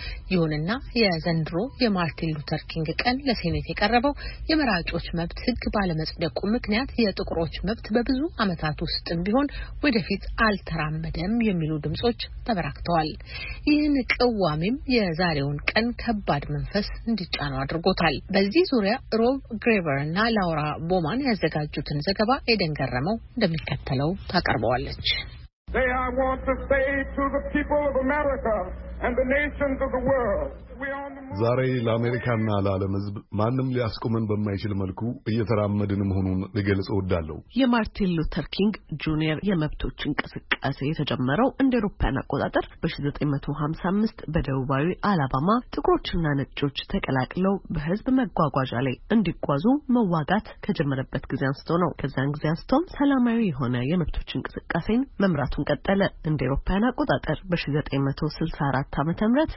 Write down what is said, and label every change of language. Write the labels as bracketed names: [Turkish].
[Amharic] ይሁንና የዘንድሮ የማርቲን ሉተር ኪንግ ቀን ለሴኔት የቀረበው የመራጮች መብት ህግ ባለመጽደቁ ምክንያት የጥቁሮች መብት በብዙ አመታት ውስጥም ቢሆን ወደፊት አልተራመደም የሚሉ ድምጾች ተበራክተዋል። ይህን ቅዋሜም የዛሬውን ቀን ከባድ መንፈስ እንዲጫነው አድርጎታል። በዚህ ዙሪያ ሮብ ግሬቨር እና ላውራ ቦማን ያዘጋጁትን ዘገባ ኤደን ገረመው እንደሚከተለው ታቀርባለች። [English] They I want to say to the people of America and the nations of the world. [Amharic] ዛሬ ለአሜሪካና ለዓለም ህዝብ ማንንም ሊያስቆመን በማይችል መልኩ እየተራመድን መሆኑን ልገልጽ ወዳለሁ። የማርቲን ሉተር ኪንግ ጁኒየር የመብቶች እንቅስቃሴ የተጀመረው እንደ አውሮፓውያን አቆጣጠር በ1955 በደቡባዊ አላባማ ጥቁሮችና ነጮች ተቀላቅለው በህዝብ መጓጓዣ ላይ እንዲጓዙ መዋጋት ከጀመረበት ጊዜ አንስቶ ነው። ከዛን ጊዜ አንስቶ ሰላማዊ የሆነ የመብቶች እንቅስቃሴን መምራቱን ቀጠለ። እንደ አውሮፓውያን አቆጣጠር በ1964 ዓ.ም